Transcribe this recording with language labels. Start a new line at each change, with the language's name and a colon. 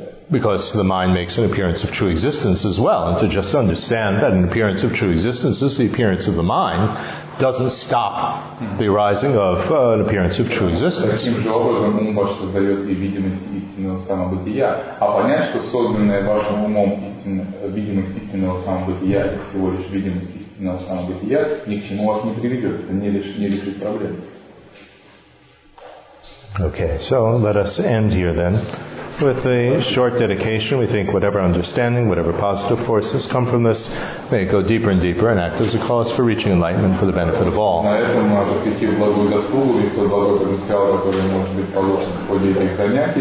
English: Because the mind makes an appearance of true existence as well, and to just understand that an appearance of true existence is the appearance of the mind doesn't stop the arising of an appearance of true existence.
Russian: Таким же образом ум ваш создает и видимость истинного самобытия, а понять, что созданное вашим умом видимость истинного самобытия и всего лишь видимость истинного самобытия ни к чему вас не приведет, это не решит проблему.
English: Okay, so let us end here then with a short dedication. We think whatever understanding, whatever positive forces come from this, may it go deeper and deeper and act as a cause for reaching enlightenment for the benefit of all.